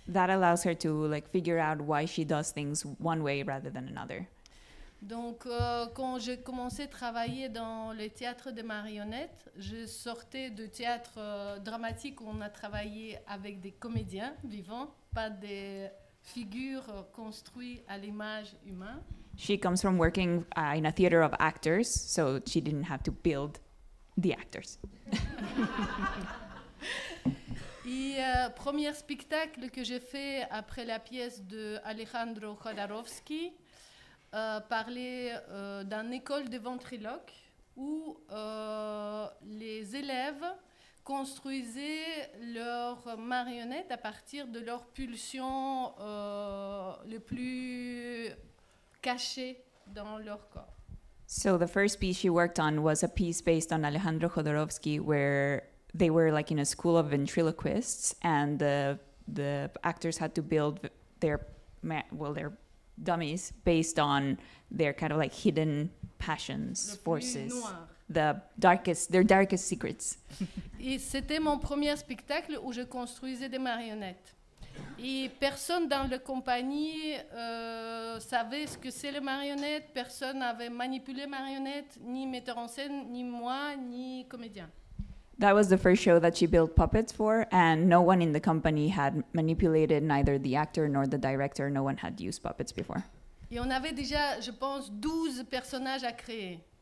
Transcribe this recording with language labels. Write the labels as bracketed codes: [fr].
[en] That allows her to like figure out why she does things one way rather than another. [fr] Donc quand j'ai commencé à travailler dans le théâtre des marionnettes, je sortais de théâtre dramatique où on a travaillé avec des comédiens vivants, pas des figures construites à l'image humaine. [en] She comes from working in a theater of actors, so she didn't have to build the actors. [fr] Et premier spectacle que j'ai fait après la pièce de Alejandro Khodorkovsky parlait d'une école de ventriloques où les élèves construisaient leurs marionnettes à partir de leurs pulsions les plus cachées dans leur corps. [en] So the first piece she worked on was a piece based on Alejandro Khodorkovsky where they were like in a school of ventriloquists and the actors had to build their dummies based on their kind of like hidden passions, forces, their darkest secrets. [fr] Et c'était mon premier spectacle où je construisais des marionnettes. Et personne dans la compagnie savait ce que c'est les marionnettes, personne n'avait manipulé marionnettes, ni metteur en scène, ni moi, ni comédien. [en] That was the first show that she built puppets for, and no one in the company had manipulated neither the actor nor the director. No one had used puppets before. [fr] Et on avait déjà, je pense, 12 personnages à créer.